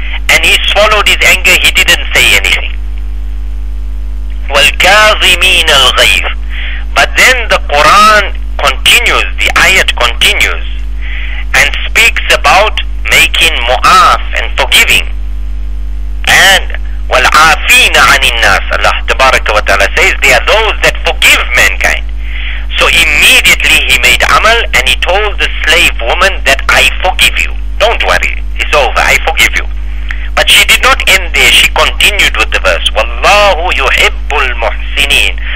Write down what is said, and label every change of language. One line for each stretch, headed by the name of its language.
English: And he swallowed his anger, he didn't say anything.
Arabic: وَالْكَاظِمِينَ الْغَيْظِ.
English: But then the Quran continues, the ayat continues, and speaks about making mu'af and forgiving.
Arabic: And وَالْعَافِينَ عَنِ النَّاسِ.
English: Allah Tabaraka wa Ta'ala says, they are those that forgive mankind. So immediately he made amal and he told the slave woman that I forgive you. Don't worry, it's over, I forgive you. But she did not end there, she continued with the verse.
Arabic: وَاللَّهُ يُحِبُّ الْمُحْسِنِينَ.